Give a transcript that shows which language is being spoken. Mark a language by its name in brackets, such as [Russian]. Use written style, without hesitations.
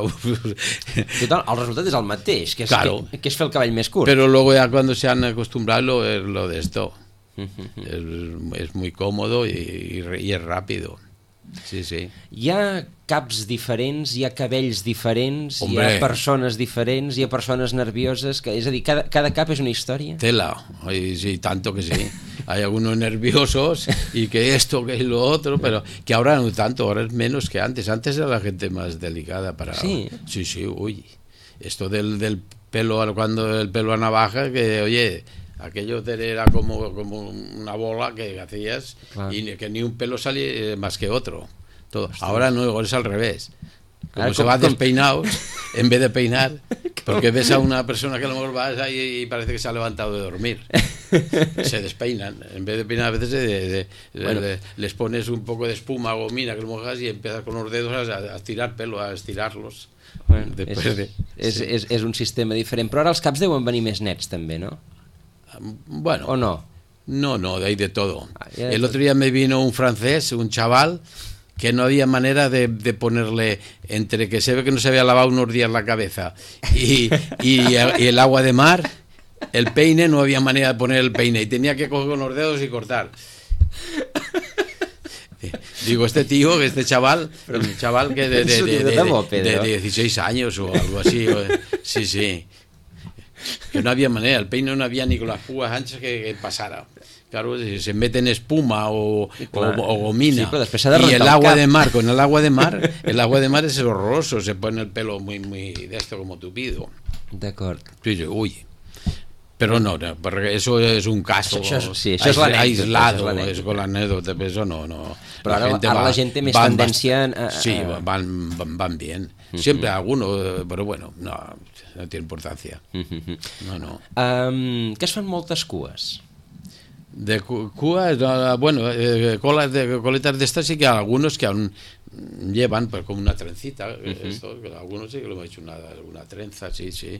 [Catalan] Total, el resultat és el mateix, que és, claro. que és fer el cabell més curt. [Spanish] Pero luego ya cuando se han acostumbrado es lo de esto. Es muy cómodo y es rápido. Sí, sí. [Catalan] Hi ha caps diferents, hi ha cabells diferents. Hombre. Hi ha persones diferents, hi ha persones nervioses, que, és a dir, cada cap és una història. [Spanish] Tela, y sí, tanto que sí. Hay algunos nerviosos y que esto, que lo otro, pero que ahora no tanto, ahora es menos que antes. Antes era la gente más delicada para... Sí, sí, sí, uy. Esto del pelo, cuando el pelo a navaja, que oye... Aquello era como una bola que hacías, claro. Y que ni un pelo salía más que otro. Todo. Ahora no, es al revés. Como se va despeinado en vez de peinar, porque ves a una persona que a lo mejor va ahí y parece que se ha levantado de dormir. se despeinan. En vez de peinar, a veces les pones un poco de espuma, gomina, que lo mojas, y empiezas con los dedos a tirar pelo, a estirarlos. [Catalan] És un sistema diferent. Però ara els caps deuen venir més nets, també, no? Bueno. O no? [Spanish] No, de ahí de todo. El otro día me vino un francés, un chaval, que no había manera de ponerle, entre que se ve que no se había lavado unos días la cabeza y el agua de mar, el peine, no había manera de poner el peine y tenía que coger con los dedos y cortar. Digo, este tío, este chaval, un chaval que de 16 años o algo así, sí, sí. Que no había manera, el peine no había ni con las púas anchas que pasara. Claro, si se mete en espuma o gomina. [Catalan] Sí, però després s'ha de rentar el cap. I [Spanish] el agua de mar, con el agua de mar, el agua de mar es horroroso, se pone el pelo muy, muy de esto como tupido. [Catalan] D'acord. Tu dius, ui, però no, perquè això és un cas [Spanish] aislado, [Catalan] és con l'anèdota, però això no. Però la gent té més tendència... [Spanish] Sí, van bien. Siempre alguno, pero bueno, no tiene importancia. No. [Catalan] Que es fan moltes cues? [Spanish] De cues, bueno, coletas de estas sí que algunos que aún llevan, pues como una trencita, esto, algunos sí que lo hemos hecho una trenza, sí.